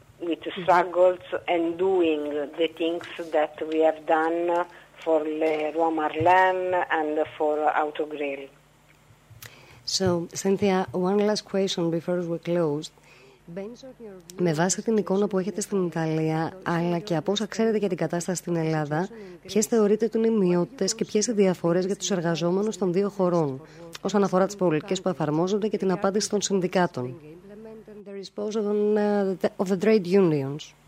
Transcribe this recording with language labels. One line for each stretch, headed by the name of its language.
English: With struggles and doing the things that we have done for Leroy Merlin and for Auto Grill. So, Cynthia, one last question before we close.
Greek: Με βάση την εικόνα που έχετε στην Ιταλία, αλλά και από όσα ξέρετε για την κατάσταση στην Ελλάδα, ποιες θεωρείτε ότι είναι οι μειότητες και ποιες οι διαφορές για τους εργαζόμενους των δύο χωρών, όσον αφορά τις πολιτικές που εφαρμόζονται και την απάντηση των συνδικάτων?
English: Dispose of the trade unions.